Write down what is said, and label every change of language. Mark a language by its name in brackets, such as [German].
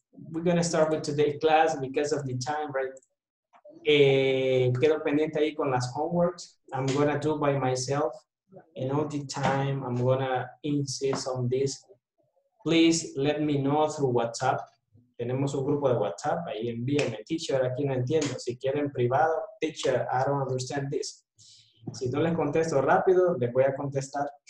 [English] We're going to start with today's class because of the time, right? [Spanish] Quedo pendiente ahí con las homeworks. [English] I'm going to do by myself. And all the time, I'm going to insist on this. Please let me know through WhatsApp. [Spanish] Tenemos un grupo de WhatsApp, ahí envíenme, teacher, aquí no entiendo. Si quieren privado, teacher, [English] I don't understand this. [Spanish] Si no les contesto rápido, les voy a contestar.